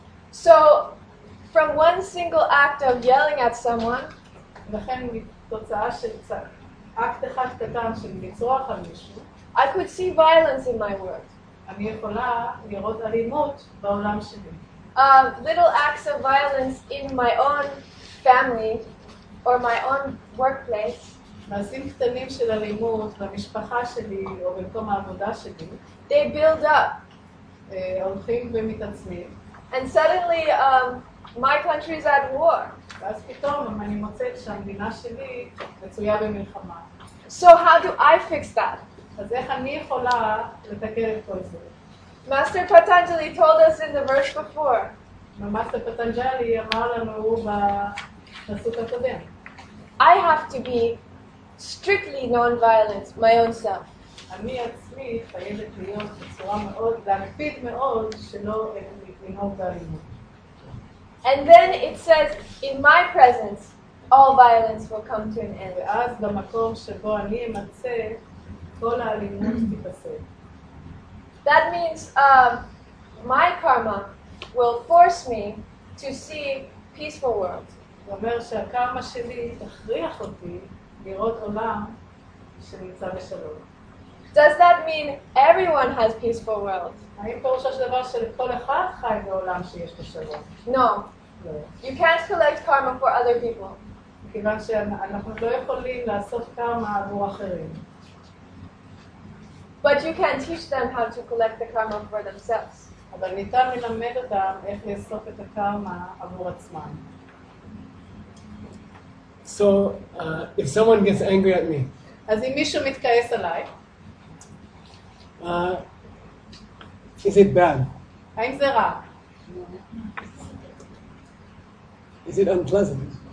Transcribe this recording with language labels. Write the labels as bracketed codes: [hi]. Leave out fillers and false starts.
[en] So, from one single act of yelling at someone, [he] לכן מתוצאה של אקט אחד קטן של לצרוח על מישהו. [en] I could see violence in my world. [he] אני יכולה לראות אלימות בעולם שלי. [en] Little acts of violence in my own family or my own workplace. [he] מעשים קטנים של אלימות במשפחה שלי או במקום העבודה שלי. [en] They build up. [he] הולכים ומתעצמים. [en] And suddenly, my country is at war. [he] ואז פתאום אני מוצאת שהמדינה שלי מצויה במלחמה. [en] So how do I fix that? [he] אז איך אני יכולה לתקן את כל זה? [en] Master Patanjali told us in the verse before. [he] Master Patanjali אמר לנו בפסוק הקודם. [en] I have to be strictly non-violent, my own self. [he] אני עצמי חייבת להיות בצורה מאוד, להקפיד מאוד, שלא לנהוג באלימות. [en] And then it says, in my presence, all violence will come to an end. [he] ואז במקום שבו אני אמצא, כל האלימות תיפסק. [en] That means my karma will force me to see peaceful world. [he] זה אומר שהקרמה שלי תכריח אותי לראות עולם שנמצא בשלום. [en] Does that mean everyone has peaceful world? [he] האם פירושו של דבר שלכל אחד חי בעולם שיש בשלום? [en] No. You can't collect karma for other people. [he] כיוון שאנחנו לא יכולים לאסוף קרמה עבור אחרים. [en] But you can teach them how to collect the karma for themselves. [he] אבל ניתן ללמד אותם איך לאסוף את הקרמה עבור עצמם. [en] So, if someone gets angry at me. [he] אז אם מישהו מתכעס עליי. [en] Is it bad? [he] האם זה רע? [en] Is it unpleasant?